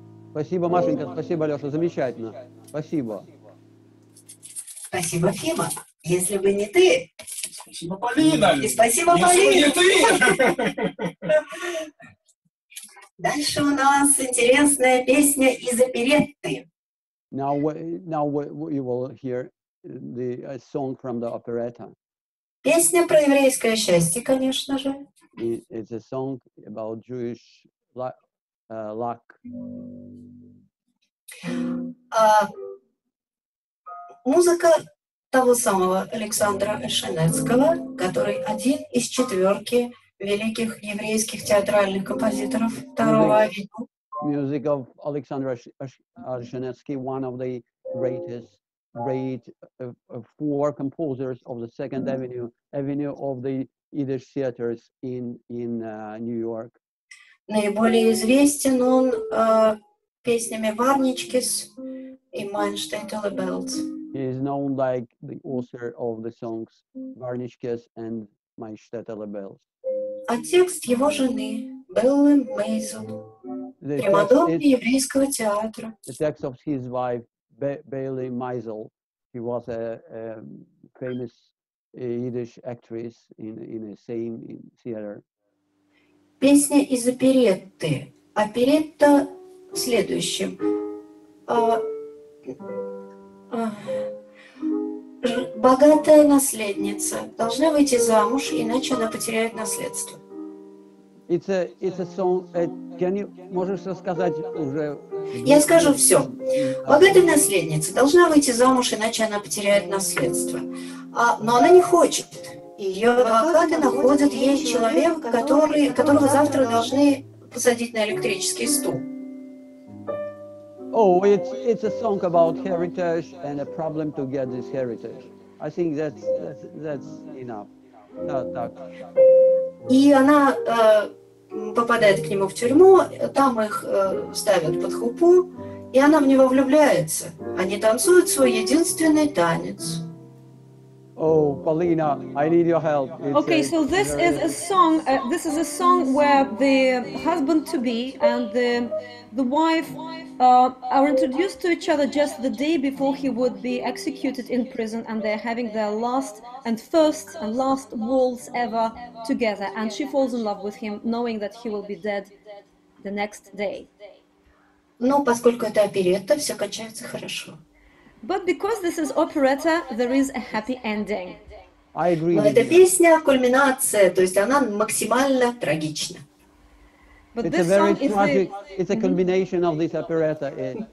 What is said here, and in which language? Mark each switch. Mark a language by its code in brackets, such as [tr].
[ru] Спасибо, Машенька, спасибо, Леша, замечательно. Спасибо. Спасибо, Фима. Если бы не ты. Спасибо, Полина. И спасибо, Полина. Если бы не ты. Дальше у нас интересная песня из оперетты. [en] Now you will hear the song from the operetta. [ru] Песня про еврейское счастье, конечно же. [en] It's a song about Jewish life. Luck. [ru] Музыка того самого Александра Ашкенацкого, который один из четверки великих еврейских театральных композиторов второго века. [en] Music of Alexander Ashkenazy, one of the greatest great four composers of the Second Avenue of the Yiddish theaters in New York. [ru] Наиболее известен он песнями Варничкис и Майнштейтл и Белт. [en] He is known like the author of the songs Варничкис and Майнштейтл и Белт. [ru] А текст его жены Беллы Мейзел, примадонны еврейского театра. [en] The text of his wife Беллы Мейзел. She was a famous Yiddish actress in the same theater. [ru] Песня из оперетты. Оперетта в следующем. Богатая наследница должна выйти замуж, иначе она потеряет наследство. [en] It's a song. [ru] Можешь рассказать уже? Я скажу все. Богатая наследница должна выйти замуж, иначе она потеряет наследство. Но она не хочет. Ее адвокаты находят ей человека, которого завтра должны посадить на электрический стул. [en] Oh, it's a song about heritage and a problem to get this heritage. I think that's enough. [ru] Так. И она попадает к нему в тюрьму, там их ставят под хупу, и она в него влюбляется. Они танцуют свой единственный танец. [en] Oh, Polina, I need your help. This is a song where the husband to be and the wife are introduced to each other just the day before he would be executed in prison, and they're having their last and first and last waltz ever together, and she falls in love with him, knowing that he will be dead the next day. [ru] Но поскольку это оперетта, все кончается хорошо. [en] But because this is operetta, there is a happy ending. I agree. [ru] Но эта песня кульминация, то есть она максимально трагична. [en] But it's this a very song tragic, is the... It's a combination of this operetta.